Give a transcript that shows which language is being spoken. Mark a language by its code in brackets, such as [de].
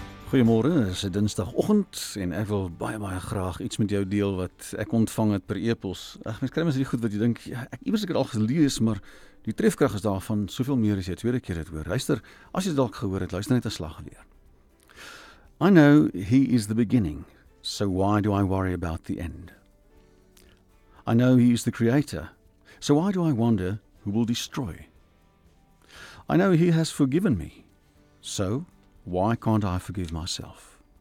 [af] Goeiemôre, dis Dinsdagoggend en ek wil baie graag iets met jou deel wat ek ontvang het per e-pos. Ag, mens kry mens hierdie goed wat jy dink, ja, ek iewers het al gelees, maar die trefkrag is daarvan soveel meer as jy tweede keer dit hoor. Luister, as jy dalk gehoor het, luister net 'n slag weer. [en] I know he is the beginning, so why do I worry about the end? I know he is the creator, so why do I wonder who will destroy? I know he has forgiven me, so why can't I forgive myself?